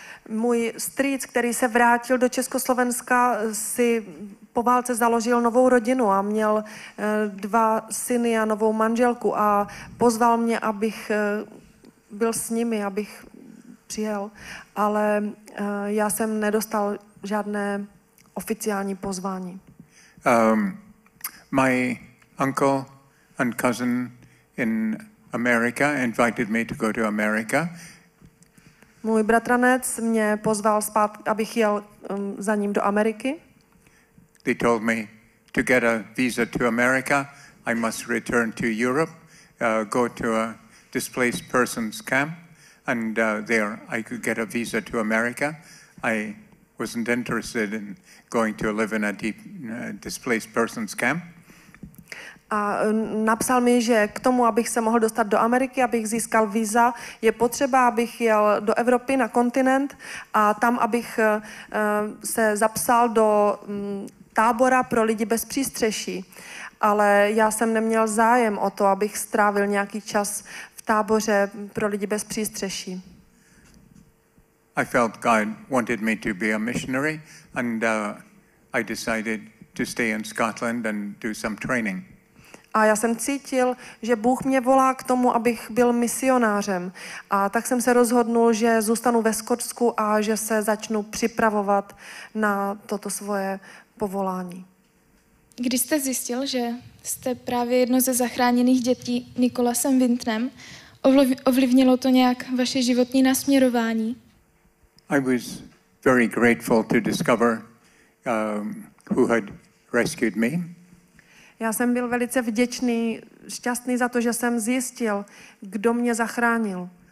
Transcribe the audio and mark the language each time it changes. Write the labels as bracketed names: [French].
[Czech] Můj strýc, který se vrátil do Československa, si po válce založil novou rodinu a měl dva syny a novou manželku a pozval mě, abych byl s nimi, abych přijel, ale já jsem nedostal žádné oficiální pozvání. [English] My uncle and cousin in America invited me to go to America. [Czech] Můj bratranec mě pozval zpátky, abych jel za ním do Ameriky. [English] They told me to get a visa to America, I must return to Europe, go to a displaced persons camp. And there I could get a visa to America. I wasn't interested in going to live in a deep displaced persons camp. [Czech] A napsal mi, že k tomu, abych se mohl dostat do Ameriky, abych získal víza, je potřeba, abych jel do Evropy na kontinent a tam, abych se zapsal do tábora pro lidi bez přístřeší. Ale já jsem neměl zájem o to, abych strávil nějaký čas táboře pro lidi bez přístřeší. [English] I felt God wanted me to be a missionary and I decided to stay in Scotland and do some training. [Czech] A já jsem cítil, že Bůh mě volá k tomu, abych byl misionářem. A tak jsem se rozhodnul, že zůstanu ve Skotsku a že se začnu připravovat na toto svoje povolání. Když jste zjistil, že jste právě jedno ze zachráněných dětí Nicholasem Wintrem, ovlivnilo to nějak vaše životní nasměrování? [English] I was very grateful to discover who had rescued me. [Czech] Já jsem byl velice vděčný, šťastný za to, že jsem zjistil, kdo mě zachránil.